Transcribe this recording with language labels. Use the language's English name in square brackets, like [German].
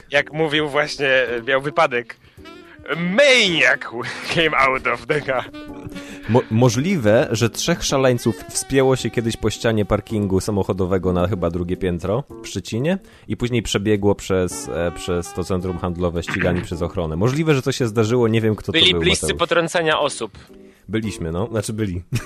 [Polish] Jak mówił właśnie, miał wypadek. [English] Maniac came out of the car. [Polish] Możliwe, że trzech szaleńców wspięło się kiedyś po ścianie parkingu samochodowego na chyba drugie piętro w Szczecinie i później przebiegło przez to centrum handlowe ścigani przez ochronę. Możliwe, że to się zdarzyło, nie wiem kto byli to był. Byli bliscy Mateusz. Potrącenia osób. Byliśmy, no. Znaczy byli.